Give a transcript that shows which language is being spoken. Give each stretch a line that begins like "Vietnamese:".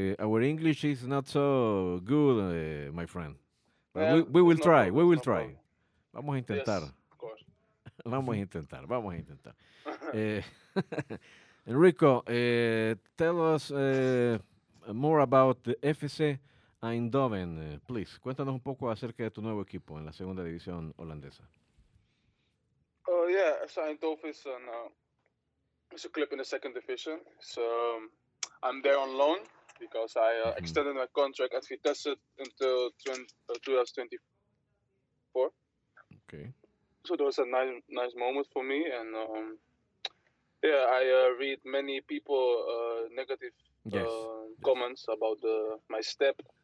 English: Our English is not so good, my friend. We will try.
Spanish: Vamos a intentar.
English: Yes, of course. Enrico, tell us more about the FC Eindhoven, please.
Spanish: Cuéntanos un poco acerca de tu nuevo equipo en la segunda división holandesa.
English: Yeah, FC Eindhoven is a club in the second division. So I'm there on loan because I extended my contract at Vitesse until 2024. Okay. So that was a nice moment for me. And I read many people negative comments about my step.